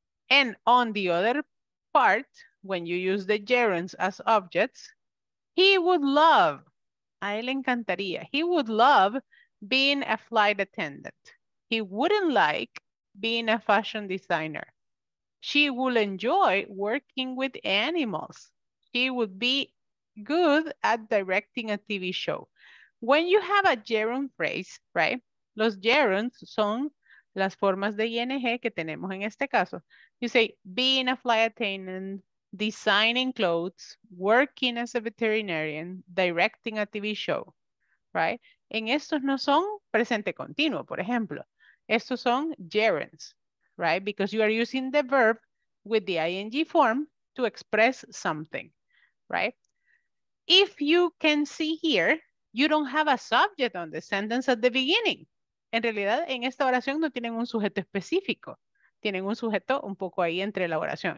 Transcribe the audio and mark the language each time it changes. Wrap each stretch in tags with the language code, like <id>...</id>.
<en>And on the other part, when you use the gerunds as objects, he would love,</en> <es>a él encantaría,</es> <en>he would love being a flight attendant. He wouldn't like being a fashion designer. She would enjoy working with animals. She would be good at directing a TV show. When you have a gerund phrase, right?</en> <es>Los gerunds son las formas de ING que tenemos en este caso.</es> <en>You say, being a flight attendant, designing clothes, working as a veterinarian, directing a TV show, right?</en> <es>En estos no son presente continuo, por ejemplo. Estos son gerunds,</es> <en>right? Because you are using the verb with the ING form to express something, right? If you can see here, you don't have a subject on the sentence at the beginning.</en> <es>En realidad, en esta oración no tienen un sujeto específico. Tienen un sujeto un poco ahí entre la oración.</es>